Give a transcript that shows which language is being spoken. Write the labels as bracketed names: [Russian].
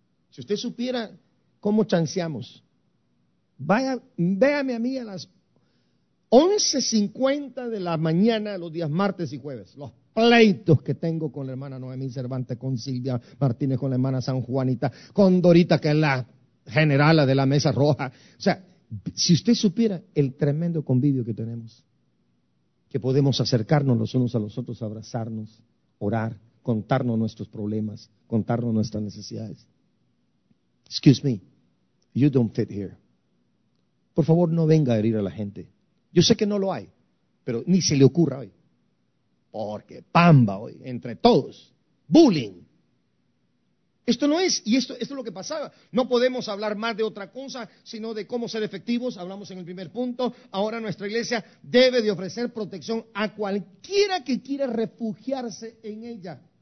[Spanish] Si usted supiera cómo chanceamos, vaya, véame a mí a las 11:50 de la mañana, los días martes y jueves, los pleitos que tengo con la hermana Noemí Cervantes, con Silvia Martínez, con la hermana San Juanita, con Dorita, que es la generala de la Mesa Roja. O sea, si usted supiera el tremendo convivio que tenemos, que podemos acercarnos los unos a los otros, abrazarnos, orar, contarnos nuestros problemas, contarnos nuestras necesidades. [English] Excuse me, you don't fit here. [Spanish] Por favor, no venga a herir a la gente. Yo sé que no lo hay, pero ni se le ocurra hoy. Porque pamba hoy, entre todos. Bullying. Esto no es, y esto es lo que pasaba. No podemos hablar más de otra cosa, sino de cómo ser efectivos. Hablamos en el primer punto. Ahora nuestra iglesia debe de ofrecer protección a cualquiera que quiera refugiarse en ella.